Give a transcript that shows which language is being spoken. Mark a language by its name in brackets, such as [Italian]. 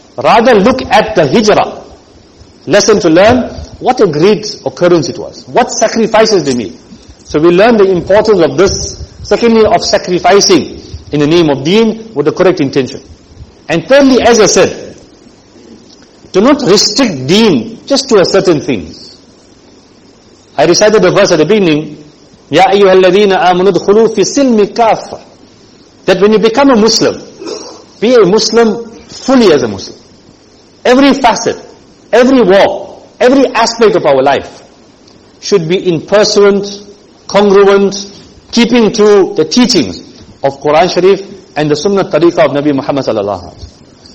[English] Rather look at the hijrah. Lesson to learn, what a great occurrence it was. What sacrifices they made. So we learn the importance of this, secondly of sacrificing in the name of deen with the correct intention. And thirdly, as I said, do not restrict deen just to a certain things. I recited the verse at the beginning, [Arabic] يَا أَيُّهَا الَّذِينَ آمَنُوا ادْخُلُوا فِي السِّلْمِ كَافَّةً. [English] That when you become a Muslim, be a Muslim fully as a Muslim. Every facet, every walk, every aspect of our life should be in pursuant, congruent, keeping to the teachings of Quran Sharif and the Sunnah Tariqah of Nabi Muhammad sallallahu alaihi wasallam.